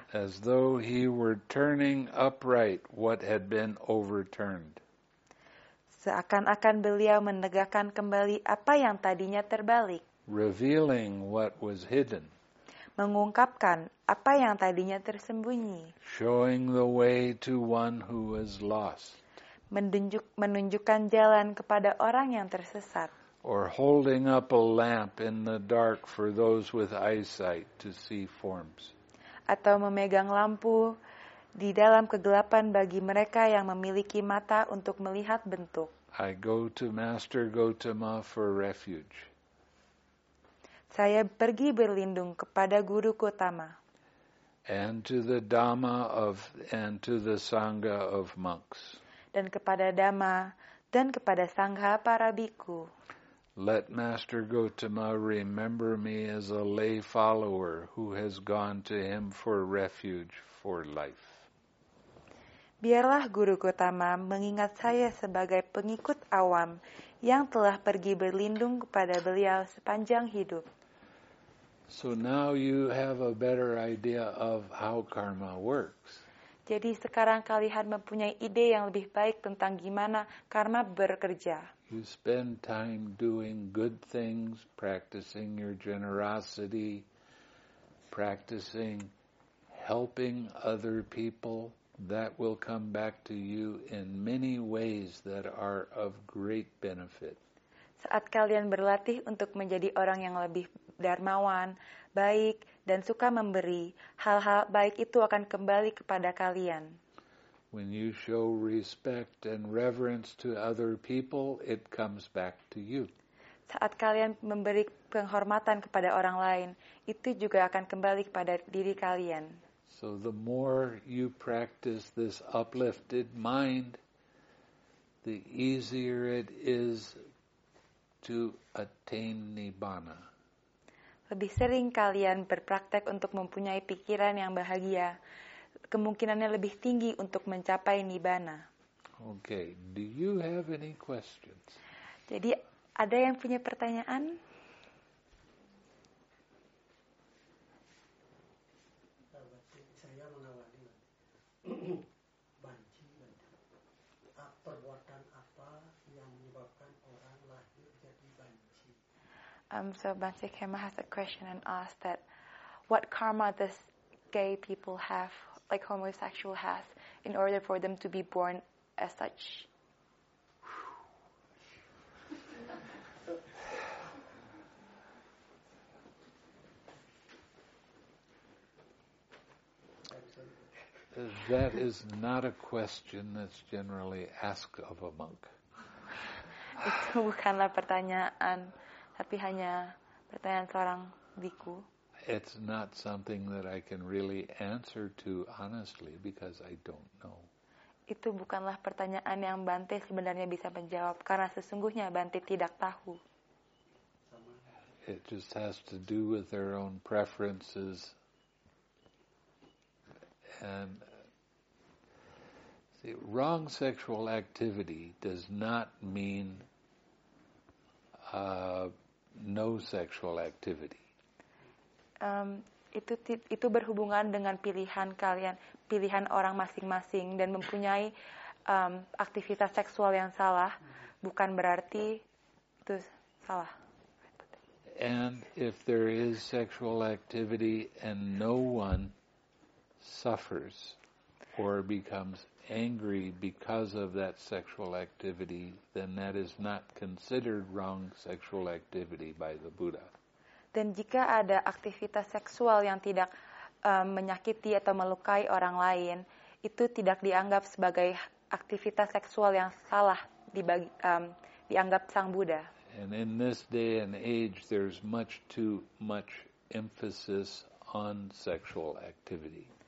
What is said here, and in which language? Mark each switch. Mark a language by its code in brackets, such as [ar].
[en] As though he were turning upright what had been overturned. [id] Seakan-akan beliau menegakkan kembali apa yang tadinya terbalik. [en] Revealing what was hidden. [id] Mengungkapkan apa yang tadinya tersembunyi. [en] Showing the way to one who was lost. [id] Menunjukkan jalan kepada orang yang tersesat. [en] Or holding up a lamp in the dark for those with eyesight to see forms. [id] Atau memegang lampu di dalam kegelapan bagi mereka yang memiliki mata untuk melihat bentuk. [en] I go to Master Gotama for refuge. [id] Saya pergi berlindung kepada Guru Gotama. [en] And to the Dhamma of and to the Sangha of monks. [id] Dan kepada Dhamma dan kepada Sangha para bhikkhu. [en] Let Master Gotama remember me as a lay follower who has gone to him for refuge for life. [id] Biarlah Guru Gotama mengingat saya sebagai pengikut awam yang telah pergi berlindung kepada beliau sepanjang hidup. [en] So now you have a better idea of how karma works. [id] Jadi sekarang kalian mempunyai ide yang lebih baik tentang gimana karma bekerja. [en] You spend time doing good things, practicing your generosity, practicing helping other people. That will come back to you in many ways that are of great benefit. [id] Saat kalian berlatih untuk menjadi orang yang lebih dharmawan, baik, dan suka memberi, hal-hal baik itu akan kembali kepada kalian. [en] When you show respect and reverence to other people, it comes back to you. [id] Saat kalian memberi penghormatan kepada orang lain, itu juga akan kembali kepada diri kalian. [en] So the more you practice this uplifted mind, the easier it is to attain nibbana. [id] Lebih sering kalian berpraktek untuk mempunyai pikiran yang bahagia, kemungkinannya lebih tinggi untuk mencapai nibbana. [en] Okay, do you have any questions? [id] Jadi ada yang punya pertanyaan? Saya mengawali banci. Perbuatan apa yang menyebabkan orang lahir jadi banci? [en] So Bansi Kema has a question and asked that what karma does gay people have, like homosexual has, in order for them to be born as such? That is not a question that's generally asked of a monk. [id] Itu bukanlah pertanyaan, tapi hanya pertanyaan seorang biku. [en] It's not something that I can really answer to honestly because I don't know. [id] Itu bukanlah pertanyaan yang Bante sebenarnya bisa menjawab karena sesungguhnya Bante tidak tahu. [en] It just has to do with their own preferences. And see, wrong sexual activity does not mean no sexual activity. [id] Itu berhubungan dengan pilihan kalian, pilihan orang masing-masing dan mempunyai aktivitas seksual yang salah, bukan berarti itu salah. [en] And if there is sexual activity and no one suffers or becomes angry because of that sexual activity, then that is not considered wrong sexual activity by the Buddha. [id] Dan jika ada aktivitas seksual yang tidak menyakiti atau melukai orang lain, itu tidak dianggap sebagai aktivitas seksual yang salah dianggap Sang Buddha. [en] And in this day and age, there's much too much emphasis on sexual activity.